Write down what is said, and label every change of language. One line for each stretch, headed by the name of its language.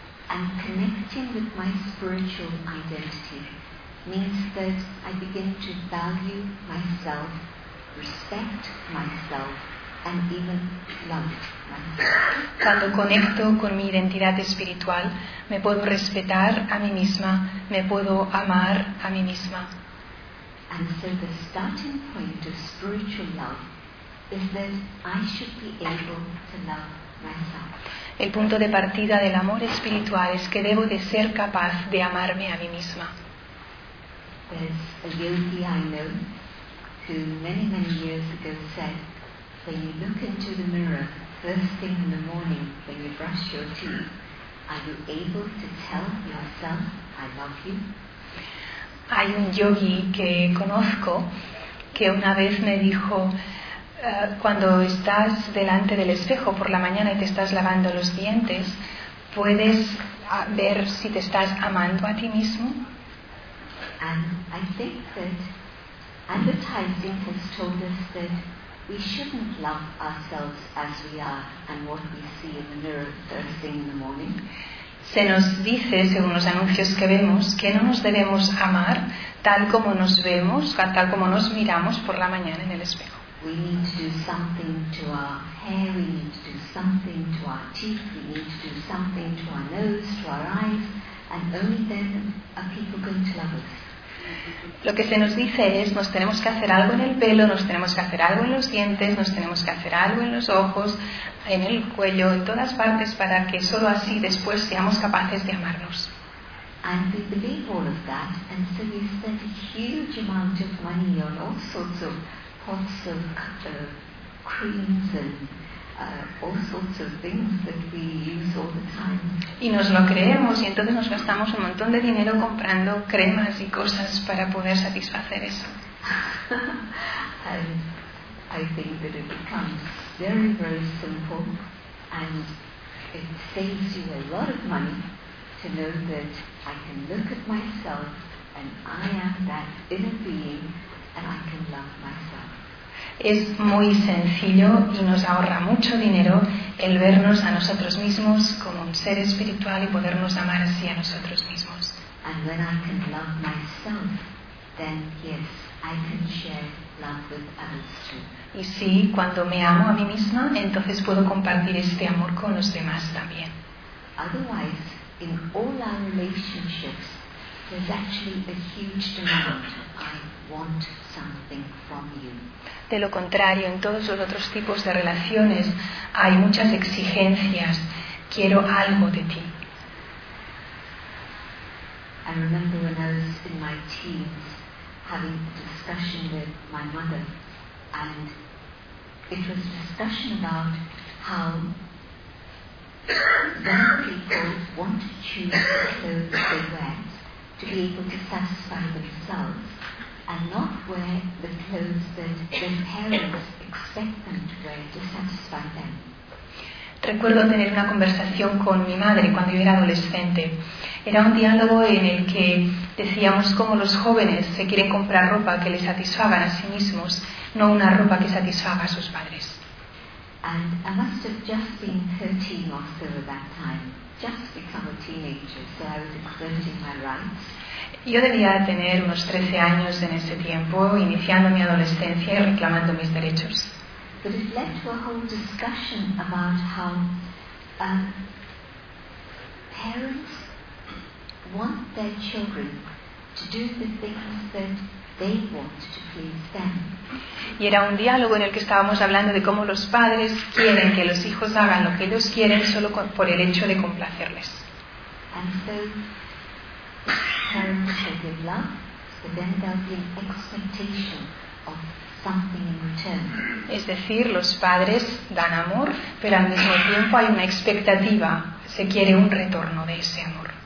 English: And connecting with my spiritual identity means that I begin to value myself, respect myself, and even love myself.
Spanish: Cuando conecto con mi identidad espiritual, me puedo respetar a mí misma, me puedo amar a mí misma.
English: And so the starting point of spiritual love is that I should be able to love myself.
Spanish: El punto de partida del amor espiritual es que debo de ser capaz de amarme a mí misma.
English: There's a yogi I know who many, many years ago said, when you look into the mirror first thing in the morning when you brush your teeth, are you able to tell yourself I love you?
Spanish: Hay un yogi que conozco que una vez me dijo, cuando estás delante del espejo por la mañana y te estás lavando los dientes, ¿puedes ver si te estás amando a ti mismo?
English: And I think that advertising has told us that we shouldn't love ourselves as we are and what we see in the mirror first thing in the morning.
Spanish: Se nos dice, según los anuncios que vemos, que no nos debemos amar tal como nos vemos, tal como nos miramos por la mañana en el espejo.
English: We need to do something to our hair, we need to do something to our teeth, we need to do something to our nose, to our eyes, and only then are people going to love us.
Spanish: Lo que se nos dice es, nos tenemos que hacer algo en el pelo, nos tenemos que hacer algo en los dientes, nos tenemos que hacer algo en los ojos, en el cuello, en todas partes, para que solo así después seamos capaces de amarnos.
English: And we believe all of that, and so we spend a huge amount of money on all sorts of pots of creams and all sorts of things that we use all the time.
Spanish: Y nos lo creemos y entonces nos gastamos un montón de dinero comprando cremas y cosas para poder satisfacer eso.
English: And I think that it becomes very, very simple and it saves you a lot of money to know that I can look at myself and I am that inner being and I can love myself.
Spanish: Es muy sencillo y nos ahorra mucho dinero el vernos a nosotros mismos como un ser espiritual y podernos amar así a nosotros mismos.
English: And when I can love myself, then yes, I can share love with others too.
Spanish: Y sí, cuando me amo a mí misma, entonces puedo compartir este amor con los demás también.
English: Otherwise, in all our relationships, there's actually a huge demand. I want something from you.
Spanish: De lo contrario, en todos los otros tipos de relaciones hay muchas exigencias. Quiero algo de ti.
English: I remember when I was in my teens having a discussion with my mother, and it was a discussion about how young people want to choose the clothes they wear to be able to satisfy themselves. And not wear the clothes that their parents expect them to wear to satisfy them.
Spanish: Recuerdo tener una conversación con mi madre cuando yo era adolescente. Era un diálogo en el que decíamos cómo los jóvenes se quieren comprar ropa que les satisfaga a sí mismos, no una ropa que satisfaga a sus padres.
English: And I must have just been 13 or so at that time, just become a teenager, so I was exerting my rights.
Spanish: Yo debía tener unos 13 años en ese tiempo, iniciando mi adolescencia y reclamando mis derechos.
English: But it led to a whole discussion about how parents want their children to do the things that they want to please them.
Spanish: Y era un diálogo en el que estábamos hablando de cómo los padres quieren que los hijos hagan lo que ellos quieren solo por el hecho de complacerles.
English: And so, parents will give love, but then there'll be an expectation of something in return.
Spanish: Es decir, los padres dan amor, pero al mismo tiempo hay una expectativa, se quiere un retorno de ese amor.